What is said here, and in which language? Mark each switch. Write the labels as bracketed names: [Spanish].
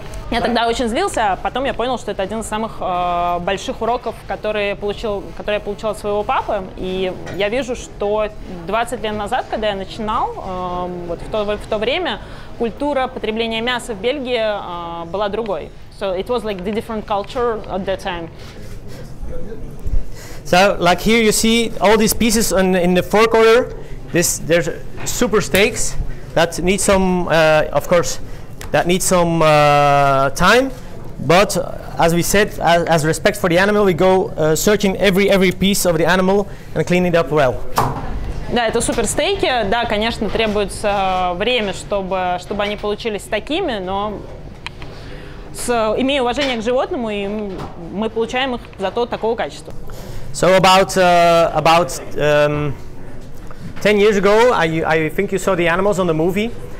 [Russian] Я тогда очень злился, а потом я понял, что это один из самых больших уроков, которые я получил от своего папы. И я вижу, что 20 лет назад, когда я начинал, вот в то время культура потребления мяса в Бельгии была другой. [English] So it was like the different culture at that time. So like here you see all these pieces in the fork order. This there's super steaks that need some of course. That needs some time, but as we said, as respect for the animal, we go searching every piece of the animal and clean it up well. [Russian] Да, это супер стейки. Да, конечно, требуется время, чтобы они получились такими, но имея уважение к животному, и мы получаем их зато такого качества. [English] So about 10 years ago, I think you saw the animals on the movie.